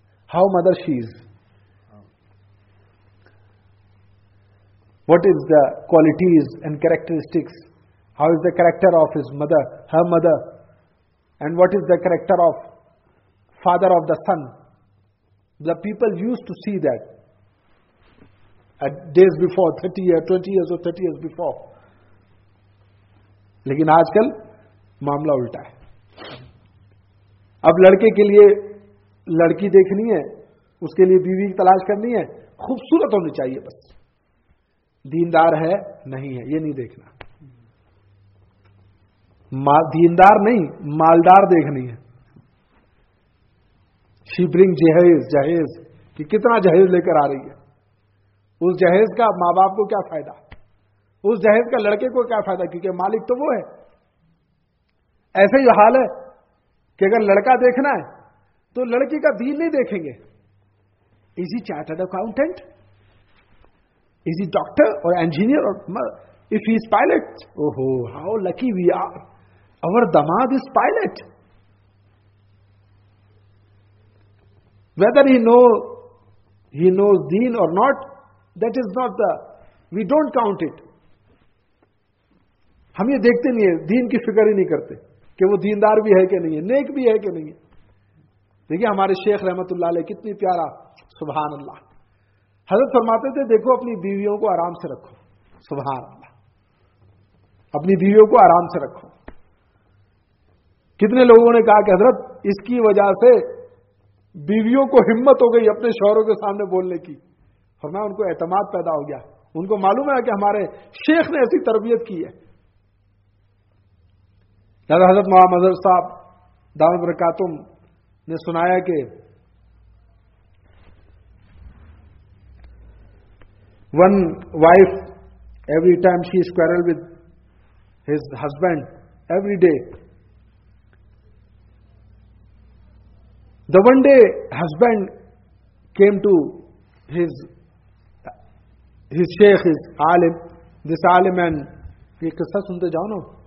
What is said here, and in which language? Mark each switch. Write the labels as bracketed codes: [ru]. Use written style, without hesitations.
[en] How mother she is, what is the qualities and characteristics, how is the character of his mother, her mother, and what is the character of father of the son. The people used to see that days before, 30 years, 20 years or 30 years before. [hi] लेकिन आजकल मामला उल्टा है. अब लड़के के लिए लड़की देखनी है, उसके लिए बीवी की तलाश करनी है, खूबसूरत होनी चाहिए बस. दीनदार है नहीं है ये नहीं देखना. दीनदार नहीं, मालदार देखनी है. [en] she bring [hi] जहेज कि कितना जहेज लेकर आ रही है. उस जहेज का मां बाप को क्या फायदा, उस जहेज का लड़के को क्या फायदा, क्योंकि मालिक तो वो है. ऐसे ही हाल है कि अगर लड़का देखना है तो लड़की का दीन नहीं देखेंगे. [en] Is he chartered accountant, is he doctor और engineer, और if he is pilot, ओहो how lucky we are, our दामाद is pilot. Whether he knows deen or not, that is not the, we don't count it. [hi] हम ये देखते नहीं है, दीन की फिक्र ही नहीं करते कि वो दीनदार भी है कि नहीं है, नेक भी है कि नहीं है. देखिए हमारे शेख रहमतुल्लाह अलैह कितनी प्यारा, सुभान अल्लाह, हजरत फरमाते थे देखो अपनी बीवियों को आराम से रखो. सुभान अल्लाह, अपनी बीवियों को आराम से रखो. कितने लोगों ने कहा कि हजरत इसकी वजह से बीवियों को हिम्मत हो गई अपने शौहरों के सामने बोलने की. फरमा उनको एतमाद पैदा हो गया, उनको मालूम है कि हमारे शेख ने ऐसी तरबियत की है. दादा हजरत मोहम्मद मजहर साहब दामत बरकातुम ने सुनाया कि [en] One wife, every time she quarrel with his husband, every day. The one day husband came to his sheikh, his alim, this alim, and [hi] ye qissa sunte jao na.